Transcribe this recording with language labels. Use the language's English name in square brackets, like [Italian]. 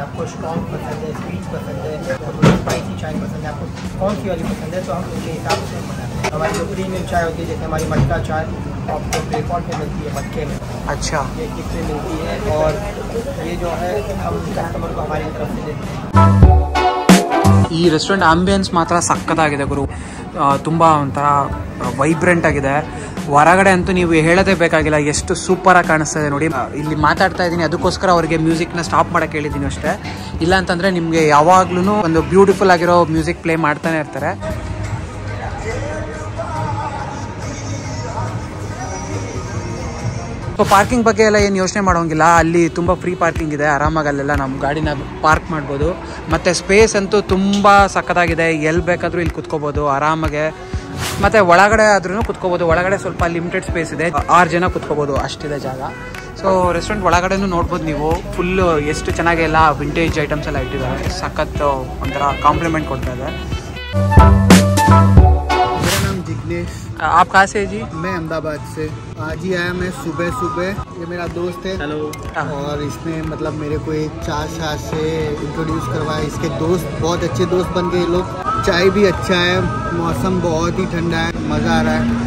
[Hindi] आपको स्ट्रॉन्ग पसंद है, स्वीट पसंद है, स्पाइसी चाय पसंद है, आपको कौन सी वाली पसंद है, तो हम उसके हिसाब से बनाते हैं। हमारी जो प्रीमियम चाय होती है, जैसे हमारी मटका चाय आपको ब्रेकआउट में मिलती है मटके में, अच्छा ये गिफ्ट में मिलती है, और ये जो है हम कस्टमर को हमारी तरफ से देते हैं। [Kannada] ಈ ರೆಸ್ಟೋರೆಂಟ್ ಆಂಬಿಯನ್ಸ್ ಮಾತ್ರ ಸಕ್ಕತ್ತಾಗಿದೆ ಗುರು, ತುಂಬ ಒಂಥರ ವೈಬ್ರೆಂಟ್ ಆಗಿದೆ। ಹೊರಗಡೆ ಅಂತೂ ನೀವು ಹೇಳದೇ ಬೇಕಾಗಿಲ್ಲ, ಎಷ್ಟು ಸೂಪರ್ ಆಗಿ ಕಾಣಿಸ್ತಾ ಇದೆ ನೋಡಿ। ಇಲ್ಲಿ ಮಾತಾಡ್ತಾ ಇದ್ದೀನಿ ಅದಕ್ಕೋಸ್ಕರ ಅವರಿಗೆ ಮ್ಯೂಸಿಕ್ನ ಸ್ಟಾಪ್ ಮಾಡಕ್ಕೆ ಹೇಳಿದ್ದೀನಿ ಅಷ್ಟೇ, ಇಲ್ಲ ಅಂತಂದರೆ ನಿಮಗೆ ಯಾವಾಗಲೂ ಒಂದು ಬ್ಯೂಟಿಫುಲ್ ಆಗಿರೋ ಮ್ಯೂಸಿಕ್ ಪ್ಲೇ ಮಾಡ್ತಾನೆ ಇರ್ತಾರೆ। ಸೊ ಪಾರ್ಕಿಂಗ್ ಬಗ್ಗೆ ಎಲ್ಲ ಏನು ಯೋಚನೆ ಮಾಡೋಂಗಿಲ್ಲ, ಅಲ್ಲಿ ತುಂಬ ಫ್ರೀ ಪಾರ್ಕಿಂಗ್ ಇದೆ, ಆರಾಮಾಗಿ ಅಲ್ಲೆಲ್ಲ ನಮ್ಮ ಗಾಡಿನ ಪಾರ್ಕ್ ಮಾಡ್ಬೋದು। ಮತ್ತು ಸ್ಪೇಸ್ ಅಂತೂ ತುಂಬ ಸಖತ್ತಾಗಿದೆ, ಎಲ್ಲಿ ಬೇಕಾದರೂ ಇಲ್ಲಿ ಕುತ್ಕೋಬೋದು ಆರಾಮಾಗೆ। ಮತ್ತು ಒಳಗಡೆ ಆದ್ರೂ ಕುತ್ಕೋಬೋದು, ಒಳಗಡೆ ಸ್ವಲ್ಪ ಲಿಮಿಟೆಡ್ ಸ್ಪೇಸ್ ಇದೆ, 6 ಜನ ಕುತ್ಕೋಬೋದು ಅಷ್ಟಿದೆ ಜಾಗ। ಸೊ ರೆಸ್ಟೋರೆಂಟ್ ಒಳಗಡೆನೂ ನೋಡ್ಬೋದು ನೀವು ಫುಲ್ಲು ಎಷ್ಟು ಚೆನ್ನಾಗಿ ಎಲ್ಲ ವಿಂಟೇಜ್ ಐಟಮ್ಸ್ ಎಲ್ಲ ಇಟ್ಟಿದ್ದಾರೆ, ಸಖತ್ ಒಂಥರ ಕಾಂಪ್ಲಿಮೆಂಟ್ ಕೊಡ್ತಾ ಇದೆ। [Hindi] आप कहाँ से जी? मैं अहमदाबाद से आज ही आया मैं सुबह सुबह। ये मेरा दोस्त है, हेलो, और इसने मतलब मेरे को एक चाशा से इंट्रोड्यूस करवाया। इसके दोस्त बहुत अच्छे दोस्त बन गए लोग। चाय भी अच्छा है, मौसम बहुत ही ठंडा है, मजा आ रहा है।